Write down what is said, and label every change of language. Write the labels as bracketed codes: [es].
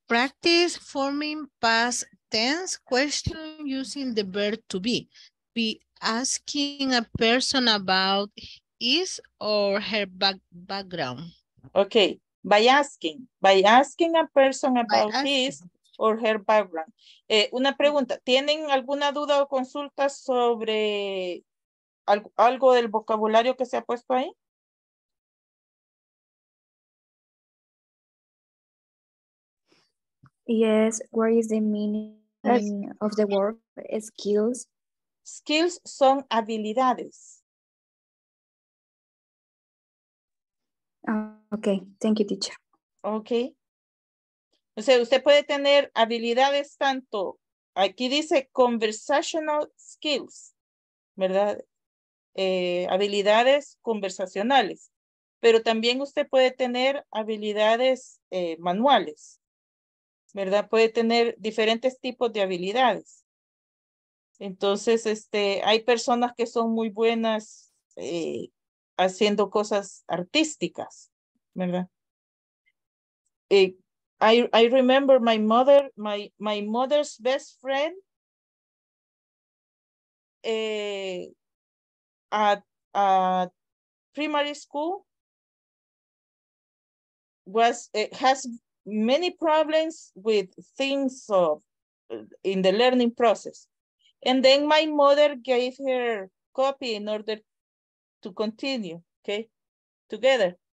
[en] Practice forming past tense question using the verb to be asking a person about his or her background. Okay, by asking a person about his or her background. [es] Una pregunta, ¿tienen alguna duda o consulta sobre algo del vocabulario que se ha puesto ahí? [en] Yes, what is the meaning of the word skills? [es] Skills son habilidades. [en] Okay, thank you, teacher. Okay. [es] O sea, usted puede tener habilidades tanto, aquí dice conversational skills, ¿verdad? Habilidades conversacionales, pero también usted puede tener habilidades manuales. ¿Verdad? Puede tener diferentes tipos de habilidades. Entonces, hay personas que son muy buenas haciendo cosas artísticas, ¿verdad? [en] I remember my mother's best friend at primary school has many problems with things of in the learning process, and then my mother gave her copy in order to continue, okay, together.